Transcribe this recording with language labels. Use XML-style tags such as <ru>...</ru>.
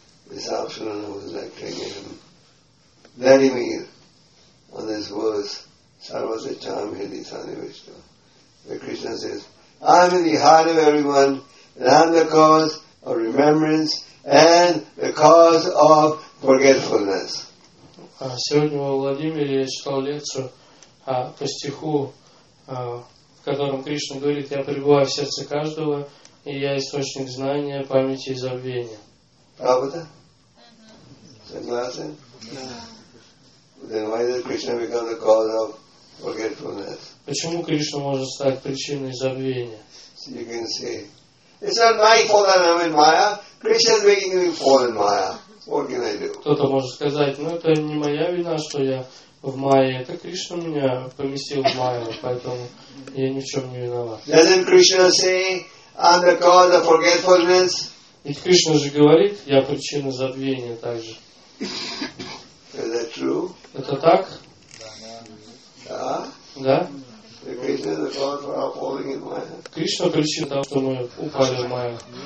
<en>This Arjuna was lecturing him very near on this verse, Sarvasya Chaam Hridi Sannivishto, where Krishna says, I am in the heart of everyone, and I am the cause of remembrance and the cause of forgetfulness.</en> <ru>Сегодня во Владимире я читал лекцию по стиху, в котором Кришна говорит, я пребываю в сердце каждого, и я источник знания, памяти и забвения. Правда? Согласен? Да.</ru> <en>Then why does Krishna become the cause of forgetfulness?</en> <ru>Почему Кришна может стать причиной забвения?</ru> <en>So you can say, it's not my fault that I'm in Maya. Krishna is making me fall in Maya. What can I do?</en> <ru>Кто-то может сказать, ну это не моя вина, что я в Майе. Это Кришна меня поместил в Майю, поэтому я ни в чем не виноват.</ru> <en>Doesn't Krishna say, I'm the cause of forgetfulness?</en> <ru>Ведь Кришна же говорит, я причина забвения также.</ru> <en>Is that true?</en> <ru>Это так? Да. Да? Кришна причина того, что мы упали в Майю.</ru>